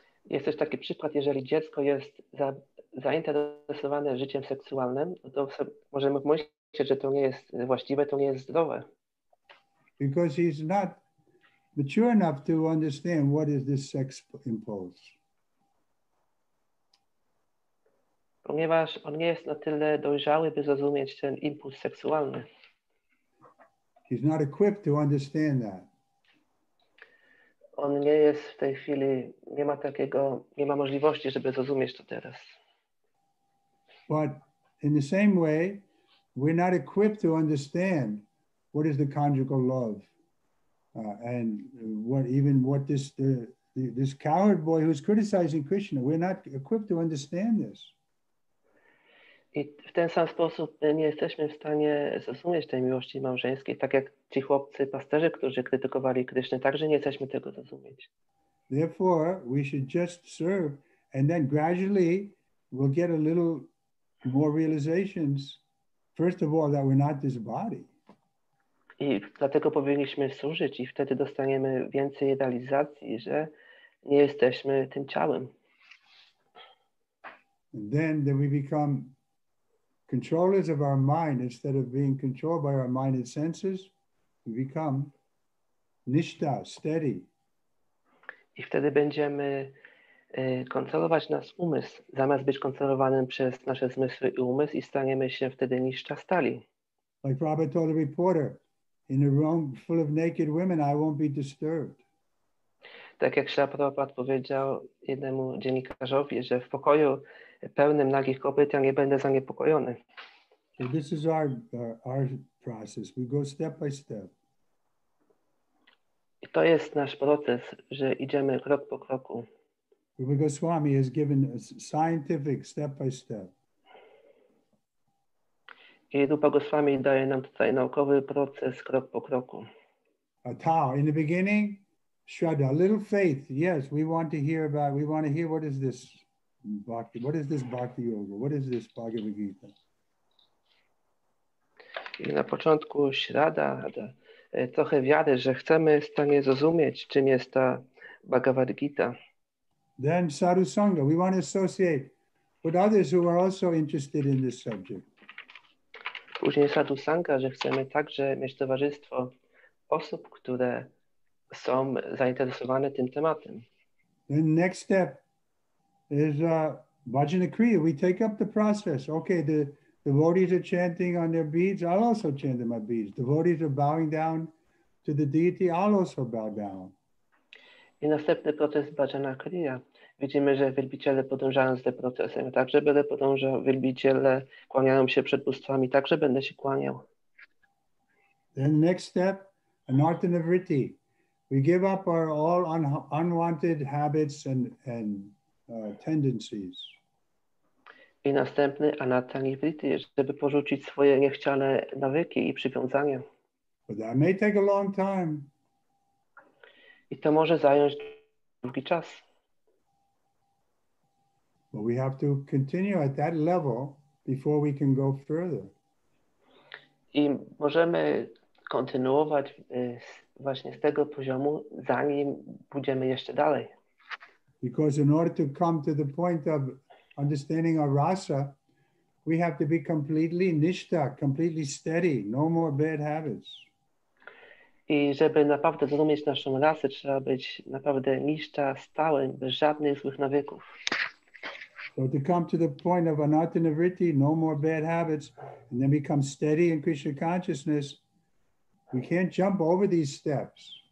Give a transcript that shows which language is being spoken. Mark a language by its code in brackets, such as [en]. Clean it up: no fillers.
[pl] Jest też taki przykład, jeżeli dziecko jest zainteresowane życiem seksualnym, to możemy myśleć, że to nie jest właściwe, to nie jest zdrowe. [en] Because he's not mature enough to understand what is this sex impulse. [pl] Ponieważ on nie jest na tyle dojrzały, by zrozumieć ten impuls seksualny. [en] He's not equipped to understand that. [pl] On nie jest w tej chwili, nie ma takiego, nie ma możliwości, żeby zrozumieć to teraz. [en] But in the same way, we're not equipped to understand what is the conjugal love and what even what this this coward boy who's criticizing Krishna, we're not equipped to understand this. [pl] I w ten sam sposób nie jesteśmy w stanie zrozumieć tej miłości małżeńskiej, tak jak ci chłopcy pasterze, którzy krytykowali Krysznę, także nie jesteśmy tego zrozumieć. [en] Therefore, we should just serve and then gradually we'll get a little more realizations, first of all, that we're not this body. [pl] I dlatego powinniśmy służyć i wtedy dostaniemy więcej realizacji, że nie jesteśmy tym ciałem. [en] And then we become controllers of our mind, instead of being controlled by our mind and senses, we become nishta, steady. [pl] I wtedy będziemy kontrolować nasz umysł, zamiast być kontrolowanym przez nasze zmysły i umysł i staniemy się wtedy nishta, stali. [en] Like Prabhupada told the reporter, in a room full of naked women, I won't be disturbed. [pl] Tak jak Śrīla Prabhupada powiedział jednemu dziennikarzowi, że w pokoju pełnym nagich kobiet, ja nie będę zaniepokojony. [en] So this is our process. We go step by step. [pl] I to jest nasz proces, że idziemy krok po kroku. [en] Rupa Goswami has given a scientific step by step. [pl] I Rupa Goswami daje nam tutaj naukowy proces krok po kroku. [en] A tao, in the beginning, shraddha, a little faith. Yes, we want to hear what is this. Bhakti. What is this Bhakti Yoga? What is this Bhagavad Gita? [pl] I na początku śrada, trochę wiary, że chcemy w stanie zrozumieć, czym jest ta Bhagavad Gita. [en] Then Sadhu Sangha. We want to associate But others who are also interested in this subject. [pl] Później Sadhu Sangha, że chcemy także mieć towarzystwo osób, które są zainteresowane tym tematem. [en] The next step is Vajna Kriya. We take up the process. Okay, the devotees are chanting on their beads. I'll also chant on my beads. Devotees are bowing down to the deity. I'll also bow down. [pl] I następny proces Vajna Kriya. Widzimy, że wielbiciele podążają z tym procesem. Także będę podążał. Wielbiciele kłaniają się przed bóstwami. Także będę się kłaniał. [en] The next step, Anartana Vritti. We give up our all unwanted habits and tendencies. [pl] I następny Anartana Vritti, żeby porzucić swoje niechciane nawyki i przywiązania. [en] But that may take a long time. [pl] I to może zająć długi czas. [en] But we have to continue at that level before we can go further. [pl] I możemy kontynuować właśnie z tego poziomu, zanim pójdziemy jeszcze dalej. [en] Because in order to come to the point of understanding our rasa, we have to be completely nishta, completely steady, no more bad habits. [pl] I żeby naprawdę zrozumieć naszą rasę, trzeba być naprawdę nishta, stałym, bez żadnych złych nawyków. [en] So to come to the point of anartana vritti, no more bad habits, and then become steady in Krishna consciousness, we can't jump over these steps.